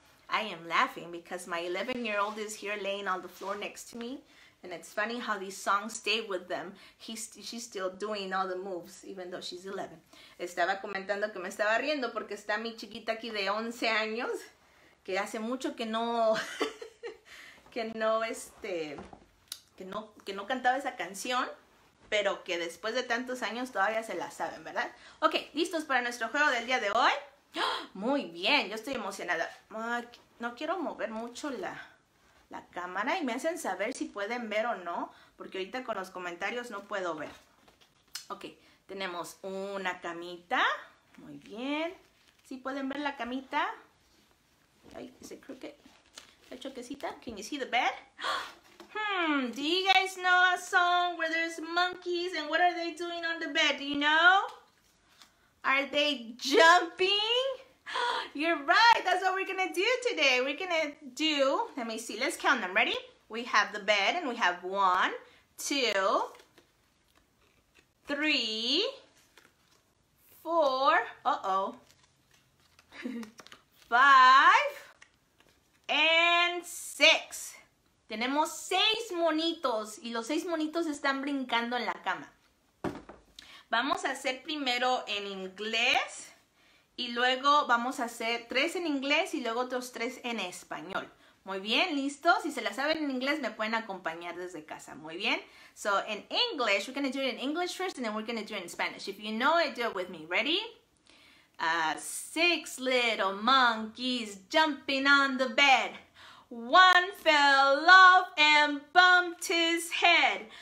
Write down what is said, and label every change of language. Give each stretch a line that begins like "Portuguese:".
English: I am laughing because my 11-year-old is here laying on the floor next to me. And it's funny how these songs stay with them. She's still doing all the moves, even though she's 11.
Spanish: Estaba comentando que me estaba riendo porque está mi chiquita aquí de 11 años. Que hace mucho que no, que no cantaba esa canción, pero que después de tantos años todavía se la saben, ¿verdad? Ok, ¿listos para nuestro juego del día de hoy? Muy bien, yo estoy emocionada. No quiero mover mucho la cámara y me hacen saber si pueden ver o no, porque ahorita con los comentarios no puedo ver. Ok, tenemos una camita. Muy bien. ¿Sí pueden ver la camita? Ay, ¿es crooked? La choquecita.
English: Can you see the bed? Do you guys know a song where there's monkeys and what are they doing on the bed? Do you know? Are they jumping? You're right. That's what we're going to do today. We're going to do, let me see. Let's count them. Ready? We have the bed and we have 1, 2, 3, 4, 5, and 6.
Spanish: Tenemos 6 monitos y los 6 monitos están brincando en la cama. Vamos a hacer primero en inglés y luego vamos a hacer 3 en inglés y luego otros 3 en español. Muy bien, listo. Si se la saben en inglés, me pueden acompañar desde casa. Muy bien.
English: So, in English, we're going to do it in English first, and then we're going to do it in Spanish. If you know it, do it with me. Ready? 6 little monkeys jumping on the bed. 1 fell off and bumped his head.